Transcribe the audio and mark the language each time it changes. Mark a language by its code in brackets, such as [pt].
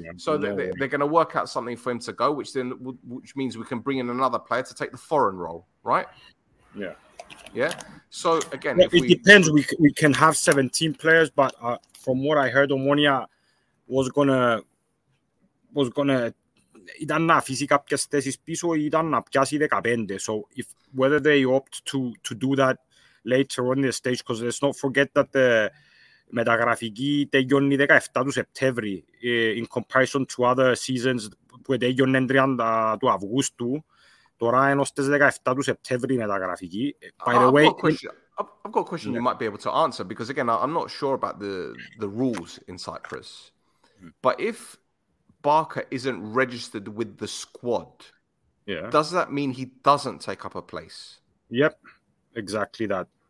[en] So they're going to work out something for him to go, which means we can bring in another player to take the foreign role, right? Yeah. Yeah? So, again... It depends. We can have 17 players, but from what I heard, Omonia was going to... [el] Ήταν να αφήσει κάποιες θέσεις πίσω, ήταν να πιάσει 15. [en] So, whether they opt to do that later on the stage, because let's not forget that the [el] μεταγραφική τελειώνει 17 του Σεπτέμβρη [en] in comparison to other seasons [el] που τελειώνουν 30 του Αυγούστου. Τώρα είναι ως 17 του Σεπτέμβρη η μεταγραφική. [en] By the way, I've got a question you might be able to answer, because again, I'm not sure about the rules in Cyprus. But if Barker isn't registered with the squad, does that mean he doesn't take up a place? Yep, exactly that.